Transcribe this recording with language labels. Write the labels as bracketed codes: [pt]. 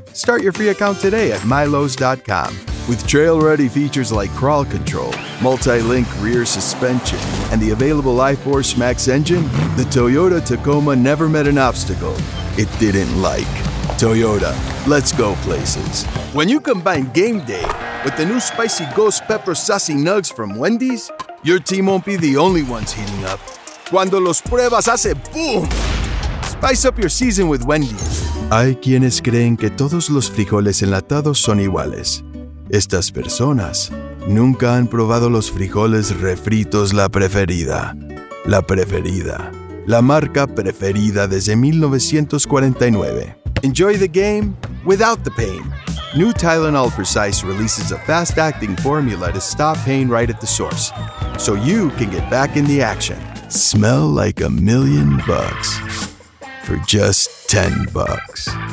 [en] Start your free account today at mylows.com. With trail-ready features like crawl control, multi-link rear suspension, and the available iForce Max engine, the Toyota Tacoma never met an obstacle it didn't like. Toyota, let's go places. When you combine game day with the new spicy ghost pepper sassy nugs from Wendy's, your team won't be the only ones heating up. [es] Cuando los pruebas hace boom! [en] Spice up your season with Wendy's. [es] Hay quienes creen que todos los frijoles enlatados son iguales. Estas personas nunca han probado los frijoles refritos La Preferida. La Preferida, la marca preferida desde 1949. [en] Enjoy the game without the pain. New Tylenol Precise releases a fast-acting formula to stop pain right at the source, so you can get back in the action. Smell like a million bucks for just 10 bucks.